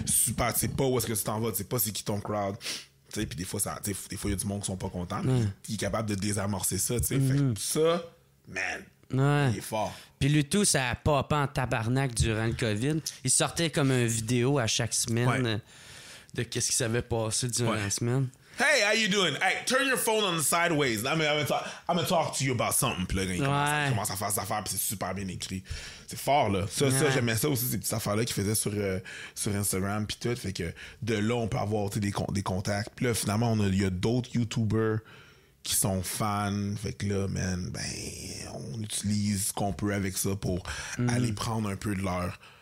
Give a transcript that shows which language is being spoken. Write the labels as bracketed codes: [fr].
[fr] Super, tu sais pas où est-ce que tu t'en vas, tu sais pas c'est qui ton crowd. Tu sais, puis des fois, il y a du monde qui sont pas contents, mais il est capable de désamorcer ça, tu sais. Fait que ça, man. Ouais. Il est fort. Puis Lutou, ça a popé en tabarnak durant le COVID. Il sortait comme un vidéo à chaque semaine de qu'est-ce qui s'avait passé durant la semaine. [en] Hey, how you doing? Hey, turn your phone on the sideways. I'm gonna talk to you about something. [fr] Puis là, il commence à faire ses affaires, puis c'est super bien écrit. C'est fort, là. Ça, j'aimais ça aussi, ces petites affaires-là qu'il faisait sur Instagram, puis tout. Fait que de là, on peut avoir des contacts. Puis là, finalement, il y a d'autres YouTubers qui sont fans. Fait que là, man, ben, on utilise ce qu'on peut avec ça pour aller prendre un peu de leur...